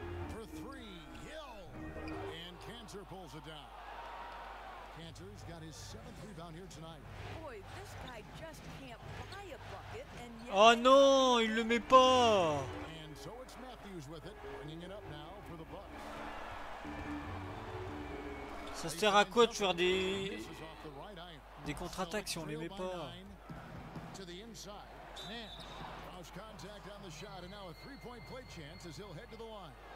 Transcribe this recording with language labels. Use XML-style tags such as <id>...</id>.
<en>For three, Hill. And can't Kanter pulls it down. Kanter's got his seventh rebound here tonight. Boy, this guy just can't buy a bucket and yet.</en> <fr>Oh non, il le met pas.</fr> <en>And so it's Matthews with it, bringing it up now for the Bucks.</en> <fr>Ça sert à quoi de faire des contre-attaques si on les met pas?</fr> <en>To the inside. Now, contact on the shot and now a three-point play chance as he'll head to the line.</en>